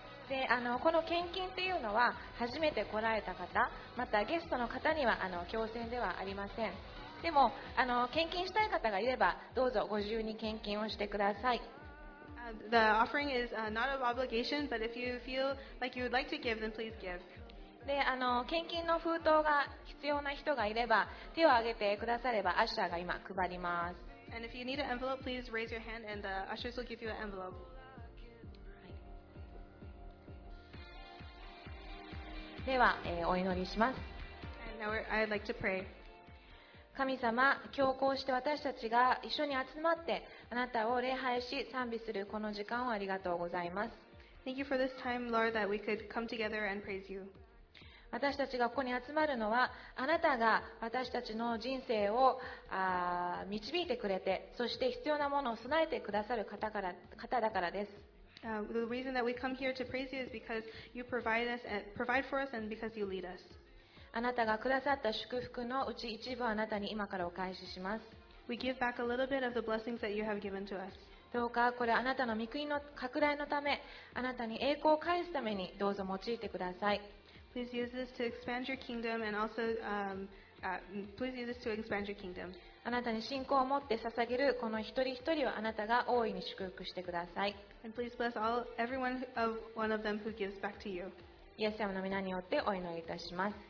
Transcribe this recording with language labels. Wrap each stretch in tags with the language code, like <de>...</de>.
<ja>で、この献金っていうのは初めて来られた方、またゲストの方には強制ではありません。でも献金したい方がいればどうぞご自由に献金をしてください。</ja> <en>The offering is not an obligation, but if you feel like you would like to give, then please give.</en> <ja>で、献金の封筒が必要な人がいれば手を挙げてくださればアッシャーが今配ります。</ja> <en>And if you need an envelope, please raise your hand and the ushers will give you an envelope.</en> <ja>では、お祈りします。</ja> <en>I'd like to pray.</en> <ja>神様、今日こうして私たちが一緒に集まってあなたを礼拝し賛美するこの時間をありがとうございます。</ja> <en>Thank you for this time, Lord, that we could come together and praise you.</en> <ja>私たちがここに集まるのはあなたが私たちの人生を導いてくれて、そして必要なものを備えてくださる方だからです。</ja> <en>The reason that we come here to praise you is because you provide for us and because you lead us.</en> <ja>あなたがくださった祝福のうち一部をあなたに今からお返しします。</ja> <en>We give back a little bit of the blessings that you have given to us.</en> <ja>どうかこれあなたの御国の拡大のため、あなたに栄光を返すためにどうぞ用いてください。</ja> <en>Please use this to expand your kingdom and also, please use this to expand your kingdom.</en> <ja>あなたに信仰を持って捧げるこの一人一人をあなたが大いに祝福してください。</ja> <en>And please bless all everyone of one of them who gives back to you.</en> <ja>イエス様の名によってお祈りいたします。</ja>